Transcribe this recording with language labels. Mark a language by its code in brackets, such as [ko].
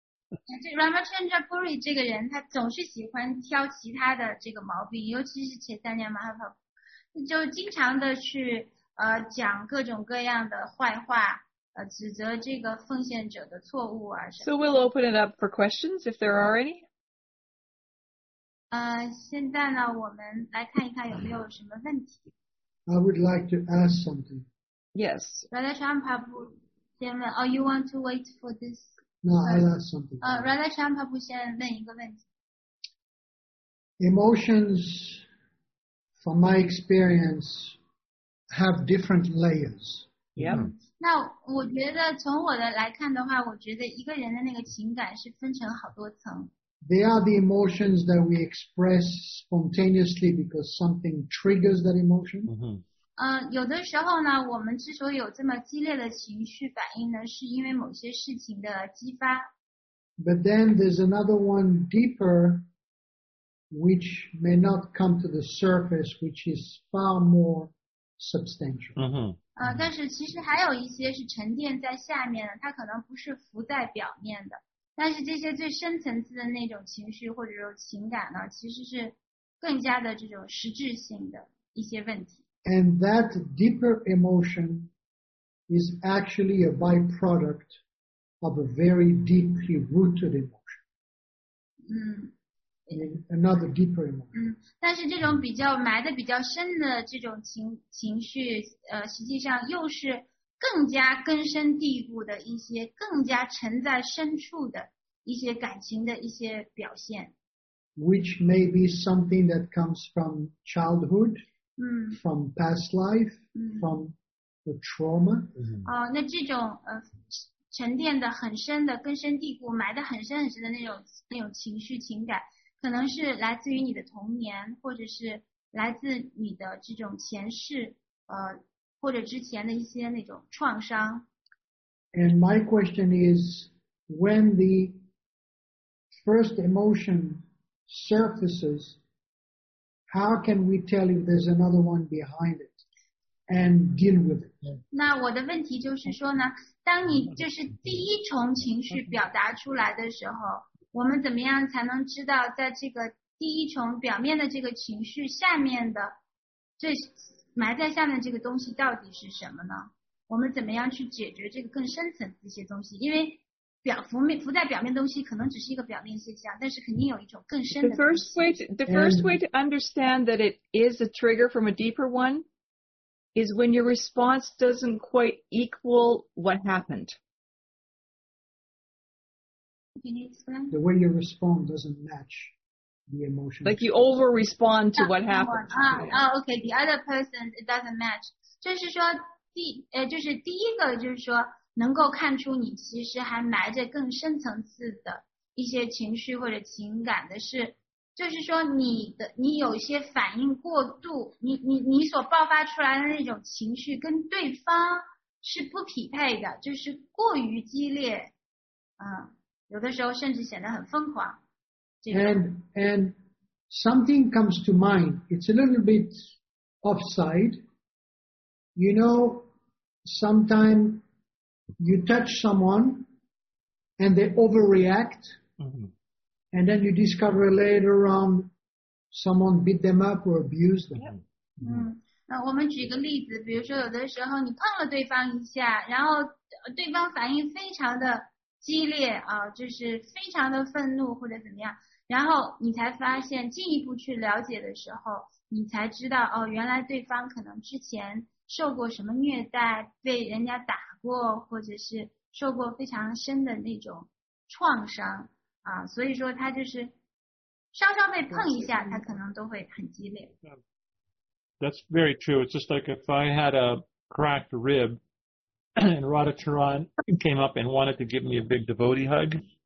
[zh] 这 Ramachandra Puri 这个人他总是喜欢挑其他的这个毛病，尤其是Chaitanya Mahaprabhu就经常的去讲各种各样的坏话，指责这个奉献者的错误啊。 [en] So we'll open it up for questions if there are any. [zh] 现在呢我们来看一看有没有什么问题。 [en] I would like to ask something. Yes. Ramachandra Puri [zh] 先问 [en] Oh, you want to wait for this No, I'll ask something. [zh] Radha Shampabu 先问一个问题。 [en] Emotions, from my experience, have different layers. Yeah. [zh] 那我觉得从我的来看的话，我觉得一个人的那个情感是分成好多层。 [en] They are the emotions that we express spontaneously because something triggers that emotion. Mm-hmm. [zh] 有的时候呢，我们之所以有这么激烈的情绪反应呢，是因为某些事情的激发。 [en] But then there's another one deeper, which may not come to the surface, which is far more substantial. [zh] 嗯哼。但是其实还有一些是沉淀在下面的，它可能不是浮在表面的。但是这些最深层次的那种情绪或者说情感呢，其实是更加的这种实质性的一些问题。 [en] And that deeper emotion is actually a byproduct of a very deeply rooted emotion. Another deeper emotion. [zh] 但是这种比较埋的比较深的这种 情绪实际上又是更加根深蒂固的一些更加沉在深处的一些感情的一些表现。 [en] Which may be something that comes from childhood. From past life, from the trauma. [zh] 那这种沉淀的很深的根深蒂固埋的很深很深的那种情绪情感可能是来自于你的童年或者是来自你的这种前世或者之前的一些那种创伤。 [en] And my question is, when the first emotion surfaces,How can we tell if there's another one behind it and deal with it? [zh] 那我的问题就是说呢，当你就是第一重情绪表达出来的时候，我们怎么样才能知道在这个第一重表面的这个情绪下面的最埋在下面这个东西到底是什么呢？我们怎么样去解决这个更深层的一些东西？因为浮在表面的东西可能只是一个表面现象，但是肯定有一种更深的。 [en] The first way to understand that it is a trigger from a deeper one is when your response doesn't quite equal what happened. The way you respond doesn't match the emotion. Like you over respond to what happened. Okay. The other person it doesn't match. [zh] 就是说就是第一个就是说。能够看出你其实还埋着更深层次的一些情绪或者情感的是，就是说你有些反应过度，你所爆发出来的那种情绪跟对方是不匹配的，就是过于激烈，有的时候甚至显得很疯狂。 [en] And something comes to mind. It's a little bit offside. You know, sometimes. You touch someone, and they overreact, and then you discover later on someone beat them up or abused them. [zh] 那我们举个例子，比如说有的时候你碰了对方一下，然后对方反应非常的激烈啊，就是非常的愤怒或者怎么样，然后你才发现进一步去了解的时候，你才知道哦，原来对方可能之前受过什么虐待，被人家打。或者是受过非常深的那种创伤啊，所以说他就是稍稍被碰一下，他可能都会很激烈。 [en] That's very true. It's just like if I had a cracked rib and Radha Charan came up and wanted to give me a big devotee hug.